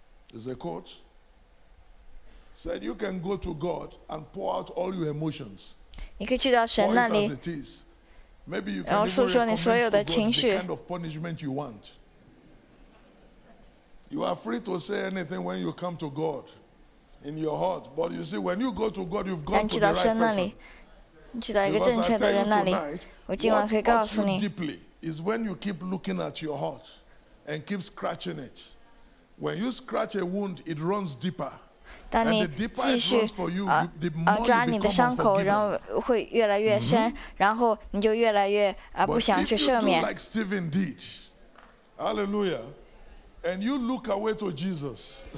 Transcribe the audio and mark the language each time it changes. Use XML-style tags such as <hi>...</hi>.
<en>There's a quote. Said, you can go to God and pour out all your emotions. Pour it as it is. Maybe you can even recommend to God the kind of punishment you want. You are free to say anything when you come to God in your heart. But you see, when you go to God, you've gone to the right person.</en> <zh>你去到一个正确的人那里，我今晚可以告诉你。</zh> <en>What you deeply is when you keep looking at your heart and keep scratching it. When you scratch a wound, it runs deeper.</en> <zh>当你继续抓你的伤口，然后会越来越深，然后你就越来越不想去赦免。</zh> <en>But if you do like Stephen did, Hallelujah, and you look away to Jesus.</en>